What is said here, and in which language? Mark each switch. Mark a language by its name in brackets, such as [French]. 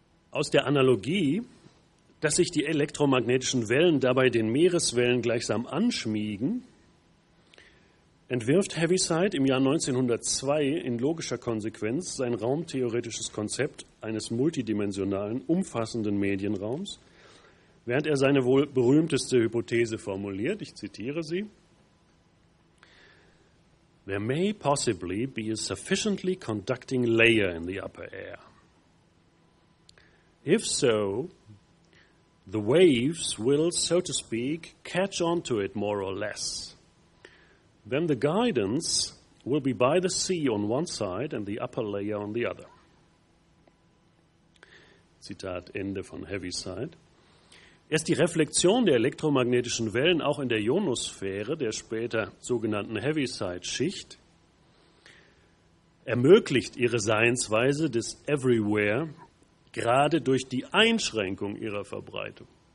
[German] Aus der Analogie, dass sich die elektromagnetischen Wellen dabei den Meereswellen gleichsam anschmiegen, entwirft Heaviside im Jahr 1902 in logischer Konsequenz sein raumtheoretisches Konzept eines multidimensionalen, umfassenden Medienraums, während er seine wohl berühmteste Hypothese formuliert, ich zitiere sie: [English] "There may possibly be a sufficiently conducting layer in the upper air. If so, the waves will, so to speak, catch on to it more or less. Then the guidance will be by the sea on one side and the upper layer on the other." [German] Zitat Ende von Heaviside. Erst die Reflexion der elektromagnetischen Wellen auch in der Ionosphäre, der später sogenannten Heaviside-Schicht, ermöglicht ihre Seinsweise des Everywhere gerade durch die Einschränkung ihrer Verbreitung.